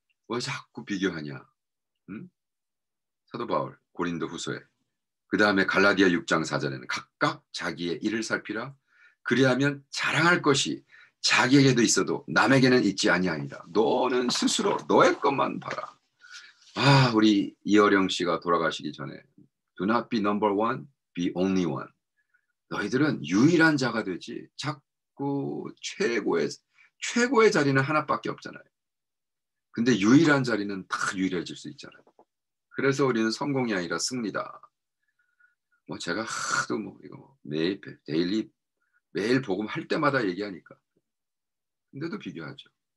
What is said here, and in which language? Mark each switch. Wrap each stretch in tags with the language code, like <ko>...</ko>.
<ko>왜 자꾸 비교하냐? 응? 사도 바울 고린도후서에 그 다음에 갈라디아 6장 4절에는 각각 자기의 일을 살피라. 그리하면 자랑할 것이 자기에게도 있어도 남에게는 있지 아니하니라. 너는 스스로 너의 것만 봐라. 아, 우리 이어령 씨가 돌아가시기 전에</ko> <en>Do not be number one, be only one.</en> <ko>너희들은 유일한 자가 되지. 자꾸 최고의 자리는 하나밖에 없잖아요. 근데 유일한 자리는 다 유일해질 수 있잖아요. 그래서 우리는 성공이 아니라 승리다. 뭐 제가 하도 뭐 이거 매일 데일리 매일 복음 할 때마다 얘기하니까 근데도 비교하죠.</ko>